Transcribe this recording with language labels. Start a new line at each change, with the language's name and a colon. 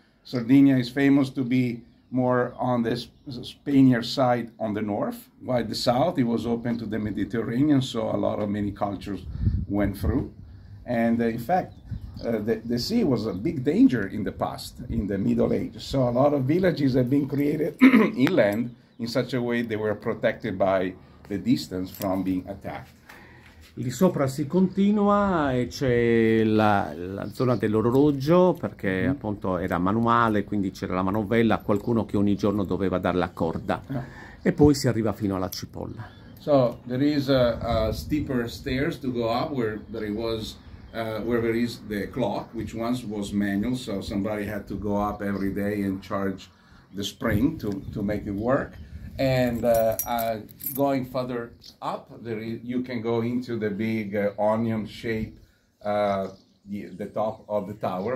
English: Sardinia is famous to be more on this Spaniard side on the north, while the south, it was open to the Mediterranean, so a lot of many cultures went through. And in fact, the sea was a big danger in the past, in the Middle Ages. So a lot of villages have been created inland in such a way they were protected by the distance from being attacked.
Italian: Lì sopra si continua e c'è la zona dell'orologio, perché appunto era manuale, quindi c'era la manovella, qualcuno che ogni giorno doveva dare la corda. E poi si arriva fino alla cipolla.
English: So there is a steeper stairs to go up where there was where there is the clock, which once was manual, so somebody had to go up every day and charge the spring to make it work. And going further up, there is, you can go into the big onion shape, the top of the tower.